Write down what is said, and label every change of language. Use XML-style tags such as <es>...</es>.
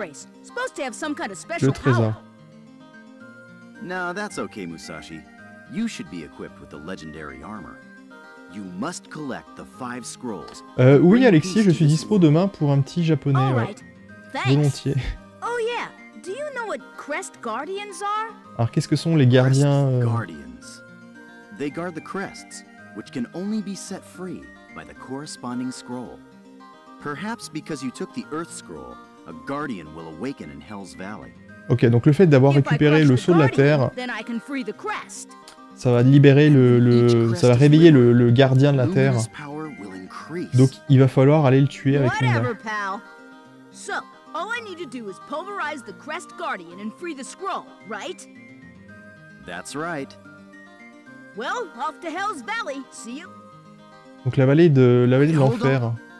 <en>It's supposed to have some kind of special</en> <fr>le trésor.</fr> <en>No, that's okay, Musashi. You should be equipped with the legendary armor. You must collect the 5 scrolls.</en> <fr>Oui, Alexis, je suis dispo demain pour un petit japonais.</fr> <en>All right. Thanks.</en> <fr>Volontiers.</fr> <en>Oh yeah. Do you know what crest guardians are?</en> <fr>Alors qu'est-ce que sont les gardiens</fr> <en>guardians? They guard the crests, which can only be set free by the corresponding scroll. Perhaps because you took the Earth scroll, a guardian will awaken in Hell's Valley.</en> <fr>OK, donc le fait d'avoir récupéré le sceau de la terre,</fr> <en>then I can free the crest.</en> <fr>Ça va libérer ça va réveiller le gardien de la terre. Donc il va falloir aller le tuer avec</fr> <en>Luna. Whatever, pal. So, all I need to do is pulverize the crest guardian and free the scroll, right? That's right. Well, off to Hell's Valley. See you.</en> <fr>Donc la vallée de l'enfer.</fr>